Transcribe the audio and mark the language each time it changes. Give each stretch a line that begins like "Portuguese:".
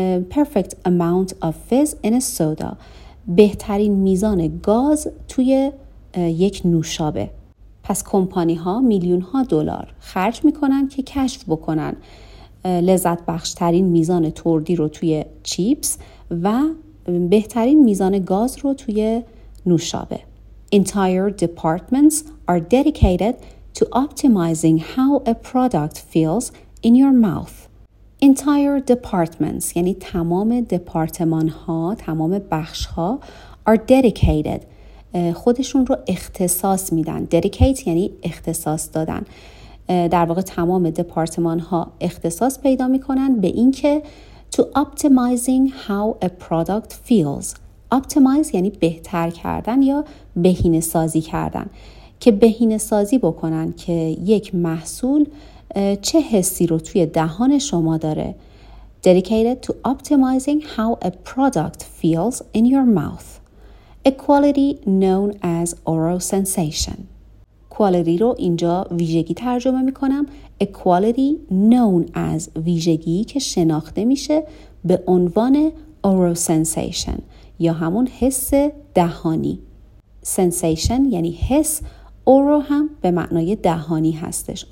English: Perfect amount of fizz in a soda،
Persian: بهترین میزان گاز توی یک نوشابه. پس کمپانی ها میلیون ها دلار خرج میکنن که کشف بکنن لذت بخش ترین میزان تردی رو توی چیپس و بهترین میزان گاز رو توی نوشابه.
English: Entire departments are dedicated to optimizing how a product feels in your mouth. Entire departments
Persian: یعنی تمام دپارتمان ها، تمام بخش ها
English: are dedicated،
Persian: خودشون رو اختصاص میدن. Dedicate یعنی اختصاص دادن. در واقع تمام دپارتمان ها اختصاص پیدا میکنن به اینکه
English: to optimizing how a product feels.
Persian: Optimize یعنی بهتر کردن یا بهینه سازی کردن، که بهینه سازی بکنن که یک محصول چه حسی رو توی دهان شما داره.
English: Dedicated to optimizing how a product feels in your mouth. A quality known as oral sensation.
Persian: Quality رو اینجا ویژگی ترجمه می کنم.
English: A quality known as
Persian: ویژگی که شناخته میشه به عنوان oral sensation یا همون حس دهانی. Sensation یعنی حس، oral هم به معنای دهانی هستش.